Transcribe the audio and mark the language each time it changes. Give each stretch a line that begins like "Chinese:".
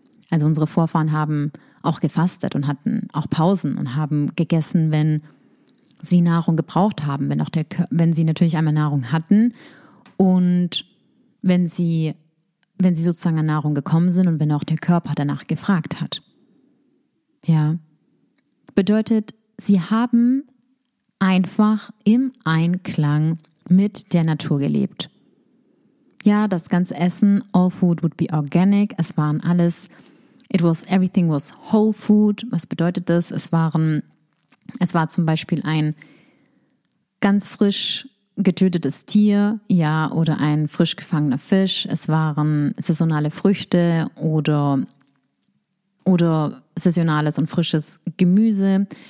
German: Also unsere Vorfahren haben auch gefastet und hatten auch Pausen und haben gegessen, wenn sie Nahrung gebraucht haben, wenn sie natürlich einmal Nahrung hatten und wenn sie sozusagen an Nahrung gekommen sind und wenn auch der Körper danach gefragt hat. Ja, bedeutet, sie haben einfach im Einklang mit der Natur gelebt. Ja, das ganze Essen,
English: all food would be organic,
German: es waren alles,
English: it was, everything was whole food.
German: Was bedeutet das? Es war zum Beispiel ein ganz frisch getötetes Tier, ja, oder ein frisch gefangener Fisch. Es waren saisonale Früchte oder saisonales und frisches Gemüse.